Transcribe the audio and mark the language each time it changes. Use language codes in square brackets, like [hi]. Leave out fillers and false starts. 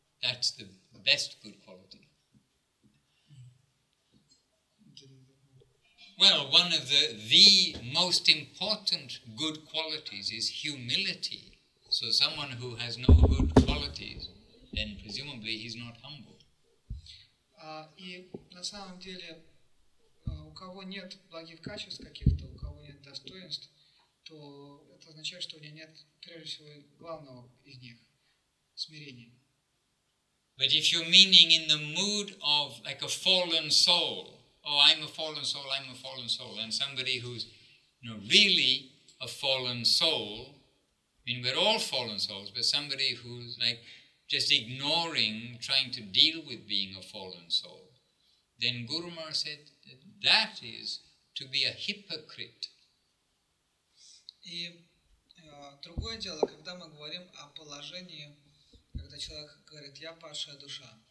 [en] That's the best good quality. Well, one of the most important good qualities is humility. So someone who has no good qualities, then presumably he's not humble. [ru] И на самом деле, у кого нет благих качеств каких-то, у кого нет достоинств, то это означает, что у него нет, прежде всего, главного из них – смирения. [en] But if you're meaning in the mood of like a fallen soul, oh, I'm a fallen soul, and somebody who's, you know, really a fallen soul, I mean, we're all fallen souls, but somebody who's like just ignoring, trying to deal with being a fallen soul, then Guru Maharaj said that is to be a hypocrite. [ru] И другое дело, когда мы говорим о положении, когда человек говорит, я падшая душа.